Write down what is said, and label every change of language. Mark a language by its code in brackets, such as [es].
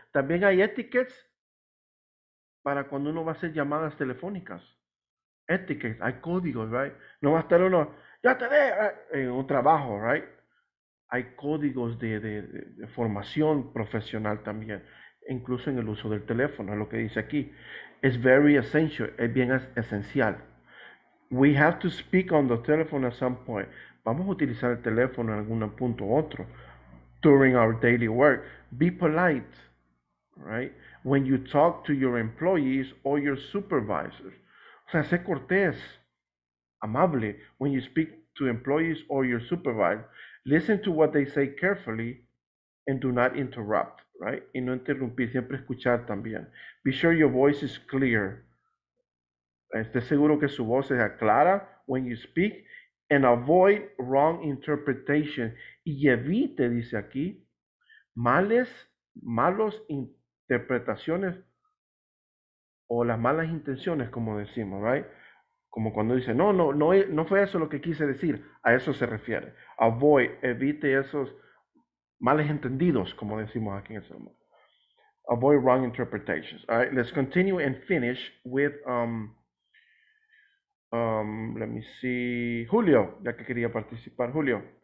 [es] También hay etiquettes para cuando uno va a hacer llamadas telefónicas. Etiquettes. Hay códigos, [en] right? [es] No va a estar uno, ya te ve, right? En un trabajo, [en] right? [es] Hay códigos de formación profesional también. Incluso en el uso del teléfono, lo que dice aquí. [en] It's very essential. [es] Es bien esencial. [en] We have to speak on the telephone at some point. [es] Vamos a utilizar el teléfono en algún punto u otro. [en] During our daily work, be polite, right? When you talk to your employees or your supervisors. [es] O sea, sé cortés, amable. [en] When you speak to employees or your supervisor, listen to what they say carefully and do not interrupt, right? [es] Y no interrumpir, siempre escuchar también. [en] Be sure your voice is clear. [es] Esté seguro que su voz sea clara [en] when you speak, and avoid wrong interpretation. [es] Y evite, dice aquí, malas interpretaciones o las malas intenciones, como decimos, [en] right? [es] Como cuando dice, no fue eso lo que quise decir. A eso se refiere. [en] Avoid, [es] evite esos males entendidos, como decimos aquí en el sermón. [en] Avoid wrong interpretations. All right, let's continue and finish with Let me see, [es] Julio, ya que quería participar, Julio.